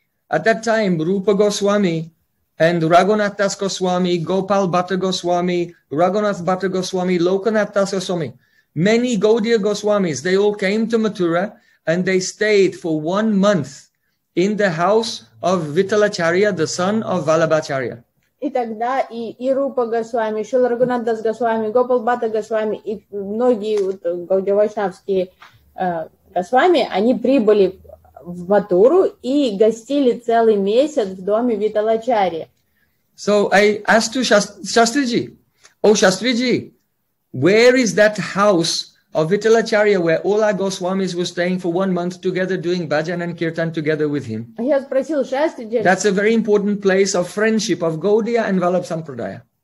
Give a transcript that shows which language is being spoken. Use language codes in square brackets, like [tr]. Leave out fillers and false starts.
[en] At that time, Rupa Goswami and Raghunath Das Goswami, Gopal Bhatta Goswami, Raghunath Bhatta Goswami, Lokanath Das Goswami, many Gaudiya Goswamis, they all came to Mathura and they stayed for 1 month in the house of Vitalacharya, the son of Vallabhacharya. [ru] И тогда и Рупа Госвами, и Шрила Рагунатха Госвами, Гопал Бхатта Госвами и многие Гаудия Вайшнавские Госвами, они прибыли в Матуру и гостили целый месяц в доме Виталачари. [en] So I asked to Shastriji, oh Shastriji, where is that house of Vitalacharya where all our Goswamis were staying for 1 month together doing bhajan and kirtan together with him? [ru] Я спросил Шастриджи. [en] That's a very important place of friendship of Gaudiya and Vallabha Sampradaya.